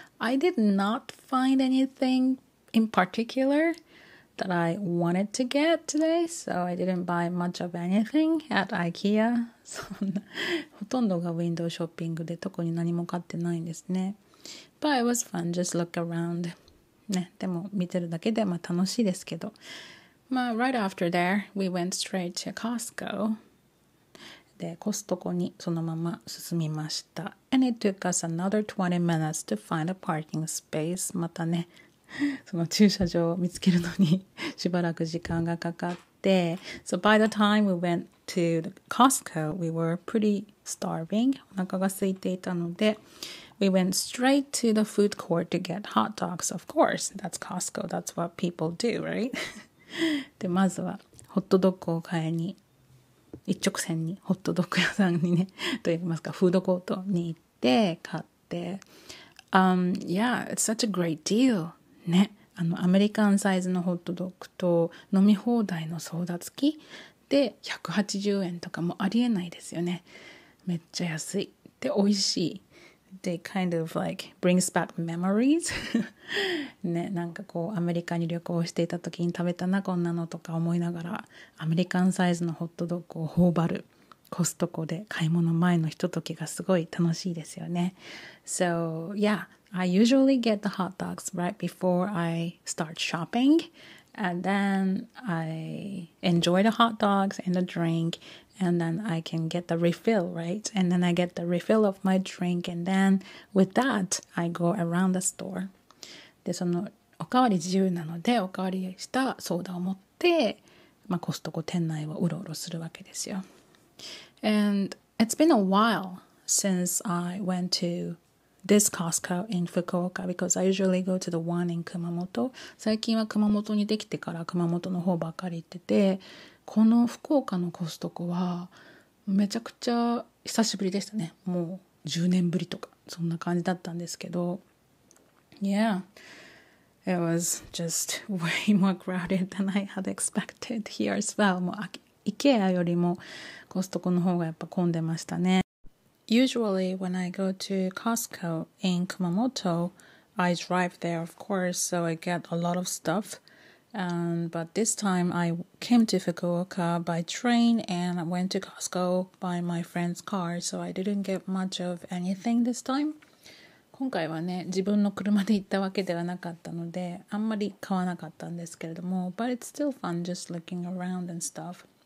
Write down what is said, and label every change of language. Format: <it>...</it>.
<en>I did not find anything in particular that I wanted to get today, so I didn't buy much of anything at IKEA.</en> <ja>そんなほとんどがウィンドウショッピングで特に何も買ってないんですね。</ja> <en>But it was fun, just look around.</en> <ja>ね、でも見てるだけでまあ楽しいですけど。</ja> <en>Well, right after there, we went straight to Costco.</en> <ja>でコストコにそのまま進みました。</ja> <en>And it took us another 20 minutes to find a parking space.</en> <ja>またね、その駐車場を見つけるのにしばらく時間がかかって。</ja> <en>So by the time we went to the Costco, we were pretty starving.</en> <ja>お腹が空いていたので、</ja> <en>We went straight to the food court to get hot dogs. Of course, that's Costco. That's what people do, right?</en> <ja>で、まずはホットドッグを買いに一直線にホットドッグ屋さんにね、といいますかフードコートに行って買って、</ja> <en>yeah, it's such a great deal.</en> <ja>ね、あのアメリカンサイズのホットドッグと飲み放題のソーダ付きで180円とかもありえないですよね。めっちゃ安いで美味しい。</ja> <en>They kind of like brings back memories.</en> <ja>ね、なんかこうアメリカに旅行していた時に食べたなこんなのとか思いながらアメリカンサイズのホットドッグを頬張るコストコで買い物前のひとときがすごい楽しいですよね。</ja> <en>So yeah, I usually get the hot dogs right before I start shopping and then I enjoy the hot dogs and the drinkAnd then I can get the refill, right? And then I get the refill of my drink. And then with that, I go around the store.</en> <ja>で、そのおかわり自由なので、おかわりしたソーダを持って、まあ、コストコ店内をうろうろするわけですよ。</ja> <en>And it's been a while since I went to this Costco in Fukuoka because I usually go to the one in Kumamoto.</en> <ja>最近は熊本にできてから熊本の方ばかり行ってて、この福岡のコストコはめちゃくちゃ久しぶりでしたね。もう10年ぶりとかそんな感じだったんですけど。</ja> <en>Yeah, it was just way more crowded than I had expected here as well.</en> <ja>もう IKEA よりもコストコの方がやっぱ混んでましたね。</ja> <en>Usually when I go to Costco in Kumamoto, I drive there of course, so I get a lot of stuff. But this time I came to Fukuoka by train and I went to Costco by my friend's car, so I didn't get much of anything this time.</en> <ja>今回はね、自分の車で行ったわけではなかったので、あんまり買わなかったんですけれども、</ja> <en>But it's still fun just looking around and stuff.</en>